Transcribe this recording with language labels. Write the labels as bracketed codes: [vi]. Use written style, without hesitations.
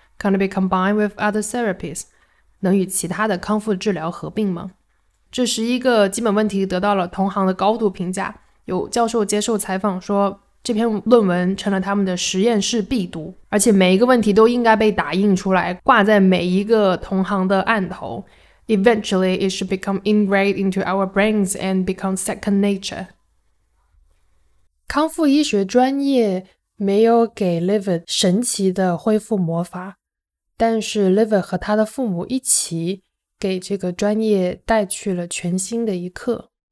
[en] Can it be combined with other therapies? [zh] 能与其他的康复治疗合并吗？这11个基本问题得到了同行的高度评价。有教授接受采访说，这篇论文成了他们的实验室必读，而且每一个问题都应该被打印出来，挂在每一个同行的案头。 [en] Eventually, it should become ingrained into our brains and become second nature. [zh] 康复医学专业没有给 Livid 神奇的恢复魔法，但是 Livid 和他的父母一起给这个专业带去了全新的一课。